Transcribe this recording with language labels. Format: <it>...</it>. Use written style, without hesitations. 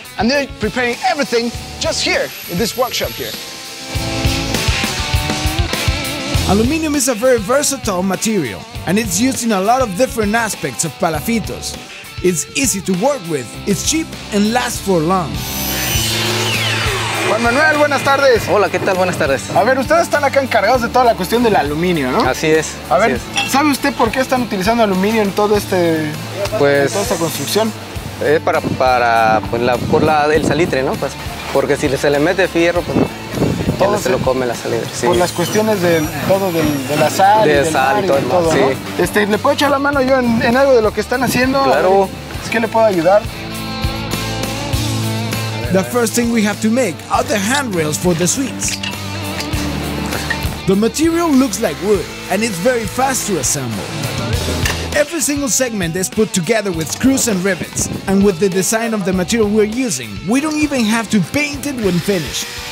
<en>And they're preparing everything just here, in this workshop here. Aluminium is a very versatile material, and it's used in a lot of different aspects of palafitos. It's easy to work with, it's cheap, and lasts for long.</en> <es>Juan Manuel, buenas tardes. Hola, ¿qué tal? Buenas tardes. A ver, ustedes están acá encargados de toda la cuestión del aluminio, ¿no? Así es. A ver, ¿sabe usted por qué están utilizando aluminio en todo este, pues, en toda esta construcción? Es para pues, el salitre, ¿no? Pues, porque si se le mete fierro, pues todo se lo come la salitre. Sí. Por las cuestiones de todo, de la sal, de y del sal mar y todo, el mar, todo, ¿no? Sí. ¿Le puedo echar la mano yo en algo de lo que están haciendo? Claro. ¿Es que le puedo ayudar?</es> <en>The first thing we have to make are the handrails for the suites. The material looks like wood, and it's very fast to assemble. Every single segment is put together with screws and rivets, and with the design of the material we're using, we don't even have to paint it when finished.</en>